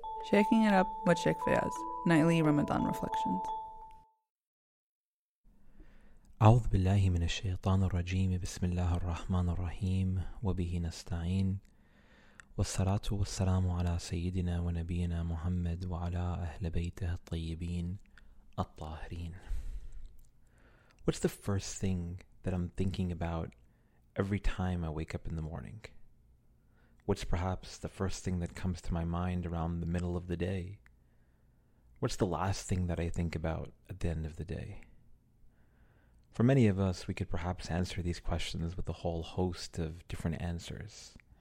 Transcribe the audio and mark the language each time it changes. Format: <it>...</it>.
<en>Shaking it up with Sheikh Fayaz, nightly Ramadan reflections.</en> <ar>أعوذ بالله من الشيطان الرجيم بسم الله الرحمن الرحيم وبه نستعين والصلاة والسلام على سيدنا ونبينا محمد وعلى أهل بيته الطيبين الطاهرين.</ar> <en>What's the first thing that I'm thinking about every time I wake up in the morning? What's perhaps the first thing that comes to my mind around the middle of the day? What's the last thing that I think about at the end of the day? For many of us, we could perhaps answer these questions with a whole host of different answers.</en>